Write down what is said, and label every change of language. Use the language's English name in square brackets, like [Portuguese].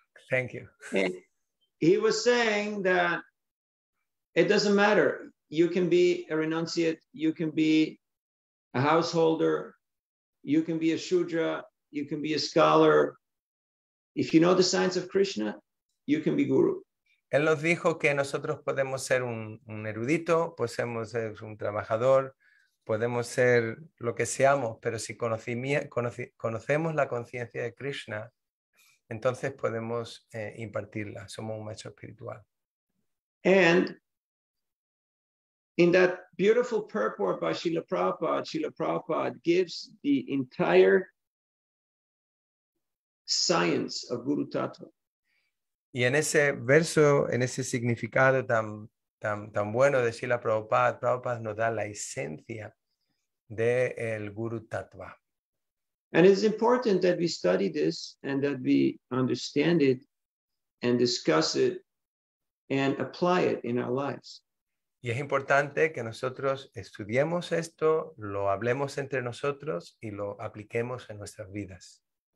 [English] Thank you. He was saying that it doesn't matter. You can be a renunciate, you can be a householder, you can be a shudra, you can be a scholar. If you know the science of Krishna, you can be guru. [Spanish] Él nos dijo que nosotros podemos ser un erudito, podemos ser un trabajador, podemos ser lo que seamos, pero si conocemos la conciencia de Krishna, entonces podemos impartirla. Somos un maestro espiritual. [English] And in that beautiful purport by Srila Prabhupada, Srila Prabhupada gives the entire science of Guru Tattva. [Spanish] Y en ese verso, en ese significado tan, tan, tan bueno de Srila Prabhupada, Prabhupada nos da la esencia del Guru Tattva. [English] And it's important that we study this and that we understand it and discuss it and apply it in our lives. [Spanish] Y es importante que nosotros estudiemos esto, lo hablemos entre nosotros y lo apliquemos en nuestras vidas.